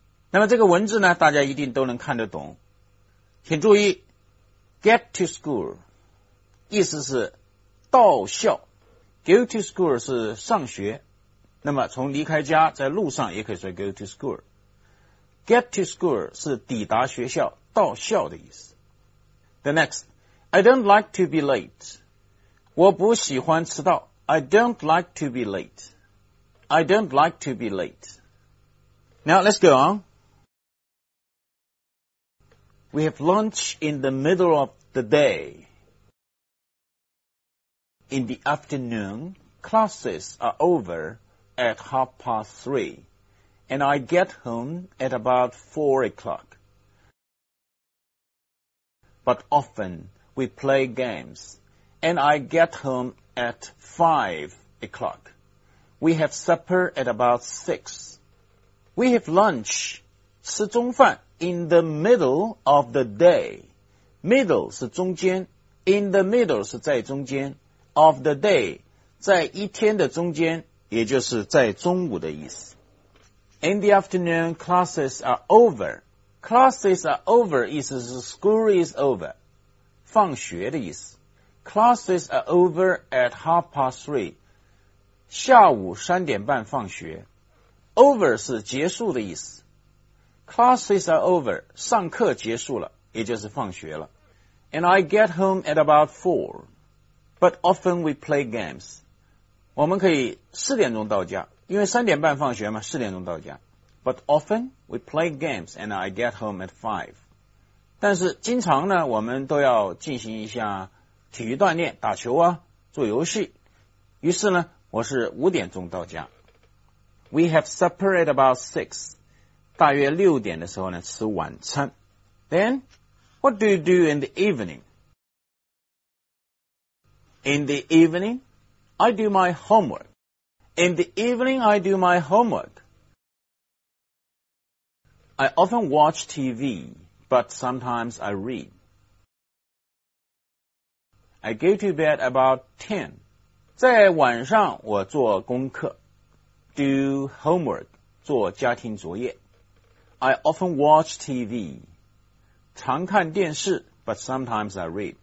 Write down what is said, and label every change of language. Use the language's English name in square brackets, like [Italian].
[Chinese] 那么这个文字呢，大家一定都能看得懂。请注意 ， [English] get to school [Chinese] 意思是到校 ， [English] go to school [Chinese] 是上学。那么从离开家在路上也可以说 [English] go to school。 Get to school [Chinese] 是抵达学校到校的意思。 [English] The next, I don't like to be late. [Chinese] 我不喜欢迟到。 [English] I don't like to be late. I don't like to be late. Now let's go on. We have lunch in the middle of the day. In the afternoon, classes are over at 3:30, and I get home at about 4:00. But often we play games, and I get home at 5:00. We have supper at about 6. We have lunch, [Chinese] 吃中饭, [English] in the middle of the day. [Chinese] Middle 是中间, [English] in the middle [Chinese] 是在中间, [English] of the day, [Chinese] 在一天的中间，也就是在中午的意思。 [English] In the afternoon, classes are over. Classes are over 意思是 school is over, [Chinese] 放学的意思。 [English] Classes are over at 3:30, [Chinese] 下午3:30放学。 Over 是结束的意思。 [English] Classes are over, [Chinese] 上课结束了，也就是放学了。 [English] And I get home at about 4, but often we play games. [Chinese] 我们可以4:00到家，因为3:30放学嘛，4:00到家。 [English] But often we play games and I get home at 5. [Chinese] 但是经常呢，我们都要进行一下体育锻炼，打球啊，做游戏。于是呢，我是5:00到家。 [English] We have supper at about 6. [Chinese] 大约6:00的时候呢，吃晚餐。 [English] Then, what do you do in the evening? In the evening,I do my homework. In the evening, I do my homework. I often watch TV, but sometimes I read. I go to bed about 10. [Chinese] 在晚上我做功课, [English] do homework, [Chinese] 做家庭作业。 [English] I often watch TV, [Chinese] 常看电视, [English] but sometimes I read.